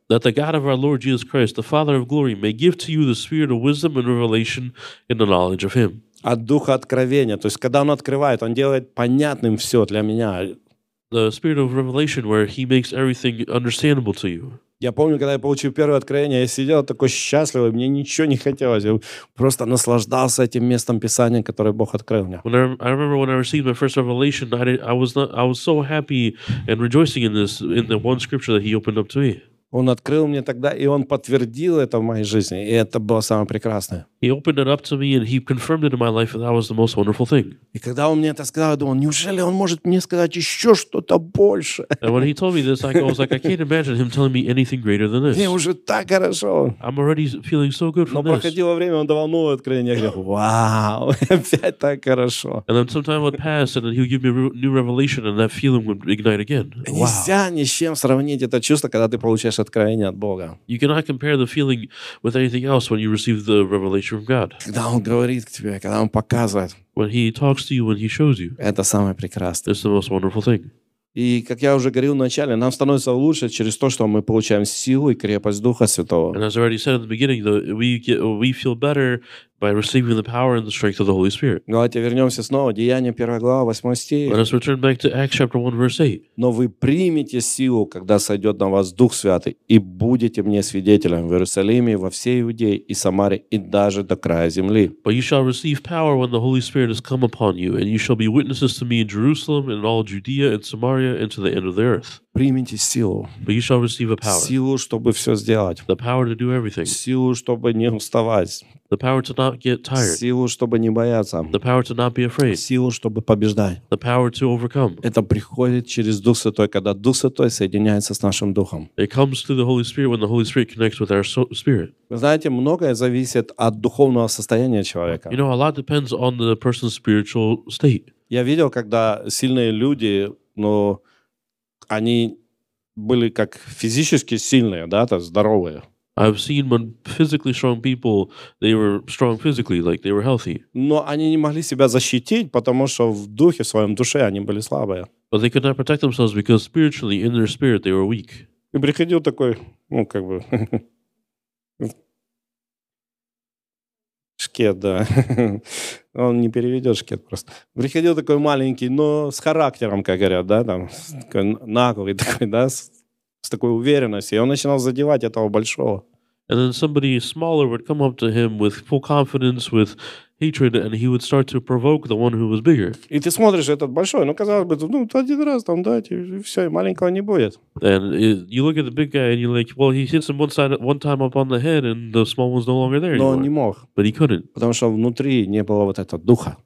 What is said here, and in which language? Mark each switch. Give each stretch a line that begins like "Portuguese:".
English: That the God of our Lord Jesus Christ, the Father of glory, may give to you the spirit of wisdom and revelation in the knowledge of Him.
Russian: От Духа Откровения. То есть, когда Он открывает, Он делает понятным все для меня.
English: The spirit of revelation, where He makes everything understandable to you.
Russian: Я помню, когда я получил первое откровение, я сидел такой счастливый, мне ничего не хотелось. Я просто наслаждался этим местом Писания, которое Бог открыл мне.
English: I remember when I received my first revelation, I was so happy and rejoicing in the one scripture that He opened up to me.
Russian: Он открыл мне тогда, и Он подтвердил это в моей жизни, и это было самое прекрасное.
English: He opened it up to me, and He confirmed it in my life, and that was the most wonderful thing.
Russian: И когда Он мне это сказал, я думал, неужели Он может мне сказать еще что-то больше?
English: And when He told me this, I was like, I can't imagine Him telling me anything greater than this.
Russian: Мне уже так хорошо.
English: I'm already feeling so good from this.
Russian: Но проходило время, Он давал новое откровение, я говорю, вау, опять так хорошо.
English: And then some time would pass, and then He would give me a new revelation, and that feeling would ignite again. Wow.
Russian: Нельзя ни с чем сравнить это чувство, когда ты получаешь откровение от Бога.
English: You cannot compare the feeling with anything else when you receive the revelation from God.
Russian: Когда Он говорит к тебе, когда Он показывает.
English: When He talks to you, when He shows you.
Russian: Это самое прекрасное.
English: It's the most wonderful thing.
Russian: И как я уже говорил в начале, нам становится лучше через то, что мы получаем силу и крепость Духа Святого.
English: And as I already said in the beginning, we feel better by receiving the power and the strength of the Holy Spirit.
Russian: Давайте вернемся снова. Деяния 1 глава, 8 стих.
English: Let us return back to Acts chapter 1, verse 8.
Russian: Но вы примете силу, когда сойдет на вас Дух Святый, и будете мне свидетелем в Иерусалиме, во всей Иудее и Самаре, и даже до края земли.
English: But you shall receive power when the Holy Spirit has come upon you, and you shall be witnesses to me in Jerusalem, and in all Judea, and Samaria, and to the end of the earth.
Russian: Примите силу.
English: But you shall receive a power.
Russian: Силу, чтобы все сделать.
English: The power to do everything.
Russian: Силу, чтобы не уставать.
English: The power to not get tired.
Russian: Силу, чтобы не бояться.
English: The power to not be afraid.
Russian: Силу, чтобы побеждать.
English: The power to overcome.
Russian: Это приходит через Дух Святой, когда Дух Святой соединяется с нашим Духом.
English: It comes through the Holy Spirit when the Holy Spirit connects with our spirit.
Russian: Вы знаете, многое зависит от духовного состояния человека.
English: You know, a lot depends on the person's spiritual state.
Russian: Я видел, когда сильные люди, они были как физически сильные, да, то здоровые.
English: I've seen when physically strong people, they were strong physically, like they were healthy.
Russian: Но они не могли себя защитить, потому что в духе, в своем душе они были слабые.
English: But they could not protect themselves because spiritually, in their spirit, they were weak.
Russian: И приходил такой, шкет, да. Он не переведет шкет просто. Приходил такой маленький, но с характером, как говорят, да, там, такой наглый такой, да, с такой уверенностью. И он начинал задевать этого большого.
English: And then somebody smaller would come up to him with full confidence, with hatred, and he would start to provoke the one who was bigger.
Russian: И ты смотришь этот большой, ну казалось бы, ну один раз там дать и все, и маленького не будет.
English: And you look at the big guy and you're like, well, he hits him one side, one time up on the head, and the small one's no longer there.
Russian: Но он не мог.
English: But he couldn't.
Russian: Потому что внутри не было вот этого духа.